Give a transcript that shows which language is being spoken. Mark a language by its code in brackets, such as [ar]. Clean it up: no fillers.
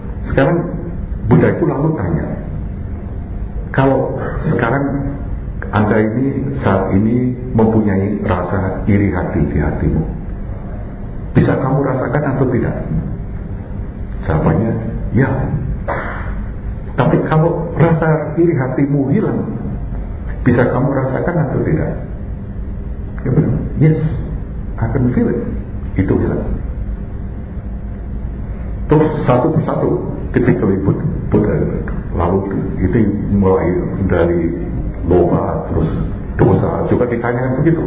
[id] Sekarang Buddha itu lalu tanya, kalau sekarang Anda ini saat ini mempunyai rasa iri hati di hatimu, bisa kamu rasakan atau tidak? Jawabannya, ya. Tapi kalau rasa iri hatimu hilang, bisa kamu rasakan atau tidak? Ya benar, [en] yes, I can feel it. [id] Itu hilang. Terus satu persatu ketika Buddha lalu itu mulai dari loba terus dosa juga ditanyakan begitu.